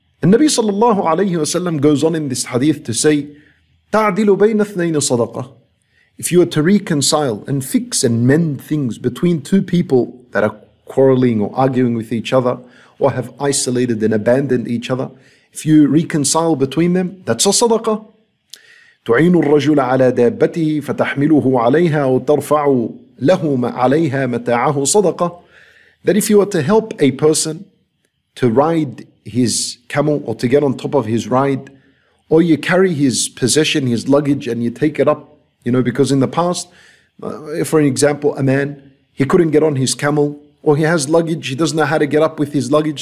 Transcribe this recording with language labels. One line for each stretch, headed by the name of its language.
English: And Nabi sallallahu alayhi wa sallam goes on in this hadith to say,
Arabic: تَعْدِلُ بَيْنَ اثْنَيْنِ صَدَقَةً.
English: If you are to reconcile and fix and mend things between two people that are quarreling or arguing with each other, or have isolated and abandoned each other, if you reconcile between them, that's a sadaqah.
Arabic: تعين الرجل على دابته فتحمله عليها وترفع له عليها متاعه صدقة.
English: That if you were to help a person to ride his camel or to get on top of his ride, or you carry his possession, his luggage, and you take it up, you know, because in the past, for an example, a man, he couldn't get on his camel, or he has luggage, he doesn't know how to get up with his luggage.